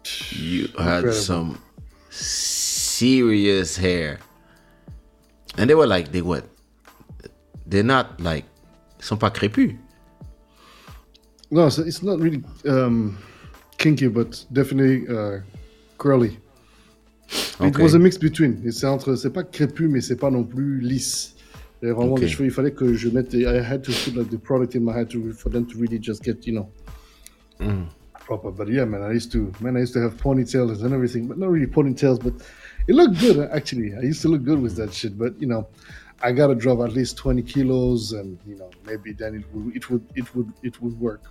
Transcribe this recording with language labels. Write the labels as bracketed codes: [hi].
[en] You had Incredible. Some serious hair. And they were like, they're not like, [fr] sont pas crépus. [en] No, so it's not really kinky, but definitely curly. Okay. It was a mix between. [fr] C'est entre, c'est pas crépu, mais c'est pas non plus lisse. Et vraiment, okay. les cheveux, il fallait que je mette. [en] I had to put like, the product in my head for them to really just get, you know, proper. But yeah, man, I used to have ponytails and everything, but not really ponytails, but it looked good, actually. I used to look good with that shit, but, you know, I gotta drop at least 20 kilos and, you know, maybe then it would work.